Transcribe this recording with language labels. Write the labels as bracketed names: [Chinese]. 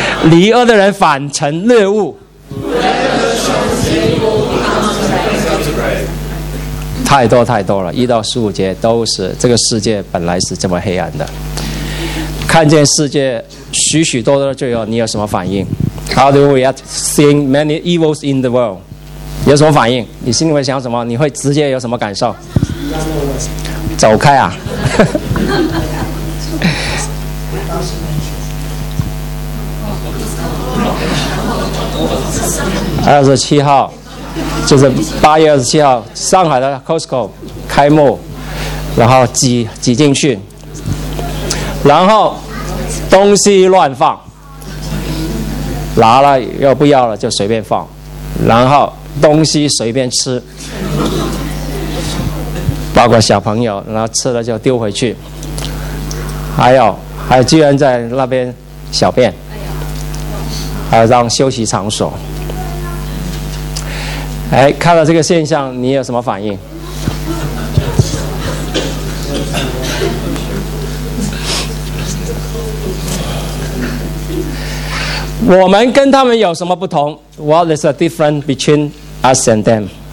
[Chinese] 离恶的人反成猎物。太多太多了，一到十五节都是这个世界本来是这么黑暗的。看见世界许许多多的罪恶，你有什么反应？ [English] How do we react seeing many evils in the world? [Chinese] 有什么反应？你心里会想什么？你会直接有什么感受？走开啊！二十七号，就是八月二十七号，上海的 Costco 开幕，然后挤进去，然后东西乱放，拿了又不要了就随便放，然后东西随便吃，包括小朋友，然后吃了就丢回去，还有居然在那边小便，还有让休息场所。哎，看到这个现象你有什么反应？我们跟他们有什么不同？ [English] What is the difference between us and them?